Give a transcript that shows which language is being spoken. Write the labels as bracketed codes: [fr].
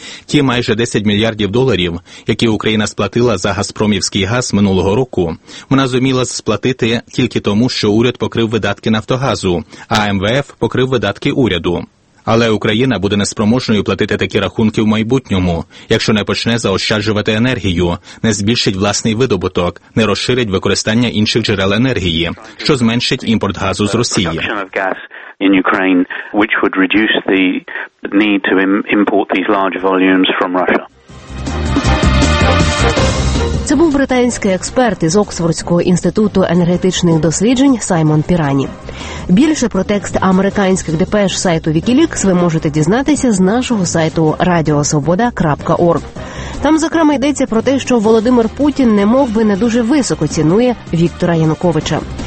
[uk] Ті майже 10 мільярдів доларів, які Україна сплатила за газпромівський газ минулого року, вона зуміла сплатити тільки тому, що уряд покрив видатки Нафтогазу, а МВФ покрив видатки уряду. Але Україна буде неспроможною платити такі рахунки в майбутньому, якщо не почне заощаджувати енергію, не збільшить власний видобуток, не розширить використання інших джерел енергії, що зменшить імпорт газу з Росії. [en] In Ukraine, which would reduce the need to import these large volumes from Russia. [uk] Це був британський експерт із Оксфордського інституту енергетичних досліджень Саймон Пірані. Більше про текст американських депеш сайту Wikileaks ви можете дізнатися з нашого сайту radiosvoboda.org. Там, зокрема, йдеться про те, що Володимир Путін, немовби, не дуже високо цінує Віктора Януковича.